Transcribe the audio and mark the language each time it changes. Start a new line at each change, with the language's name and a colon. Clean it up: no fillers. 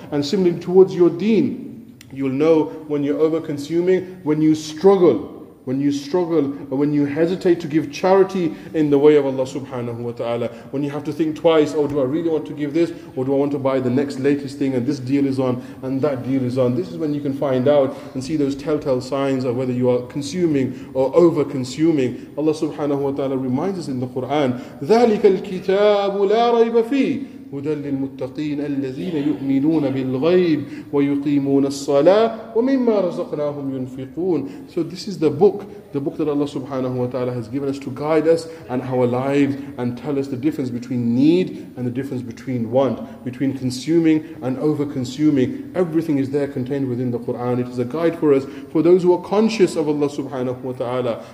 English: And similarly towards your deen, you'll know when you're over-consuming, when you struggle, or when you hesitate to give charity in the way of Allah subhanahu wa ta'ala. When you have to think twice, oh, do I really want to give this? Or do I want to buy the next latest thing, and this deal is on, and that deal is on? This is when you can find out and see those telltale signs of whether you are consuming or over-consuming.
Arabic: Allah subhanahu wa ta'ala reminds us in the Qur'an, ذَلِكَ الْكِتَابُ لَا رَيْبَ فِيهِ هُدًى لِلْمُتَّقِينَ الَّذِينَ يُؤْمِنُونَ بِالْغَيْبِ وَيُقِيمُونَ الصَّلَاةَ وَمِمَّا رَزَقْنَاهُمْ يُنْفِقُونَ.
English: So this is the book that Allah subhanahu wa ta'ala has given us to guide us and our lives, and tell us the difference between need and the difference between want, between consuming and over-consuming. Everything is there contained within the Qur'an. It is a guide for us, for those who are conscious of Allah subhanahu wa ta'ala.